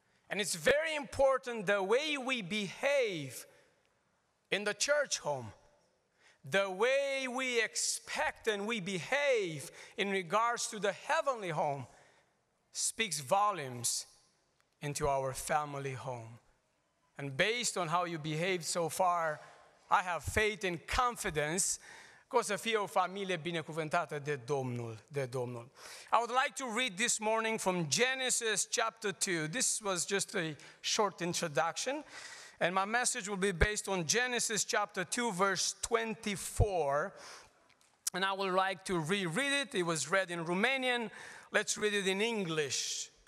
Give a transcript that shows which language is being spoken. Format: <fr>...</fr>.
<en>And it's very important the way we behave in the church home, the way we expect and we behave in regards to the heavenly home speaks volumes into our family home. And based on how you behaved so far, I have faith and confidence</en> <ro>că o să fie o familie binecuvântată de Domnul, de Domnul.</ro> <en>I would like to read this morning from Genesis chapter 2. This was just a short introduction. And my message will be based on Genesis chapter 2, verse 24. And I would like to reread it. It was read in Romanian. Let's read it in English.</en>